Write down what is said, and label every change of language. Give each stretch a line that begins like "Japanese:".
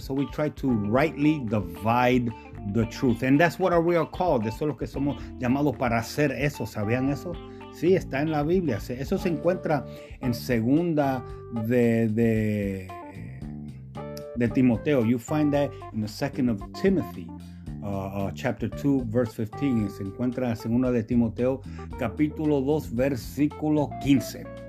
English: So we try to rightly divide the truth. And that's what we are called.
Spanish: Eso es lo que somos llamados para hacer eso. ¿Sabían eso? Sí, está en la Biblia. Eso se encuentra en segunda de Timoteo.
English: You find that in the second of Timothy. Chapter 2, verse 15.
Spanish: Se encuentra en segunda de Timoteo, capítulo 2, versículo 15.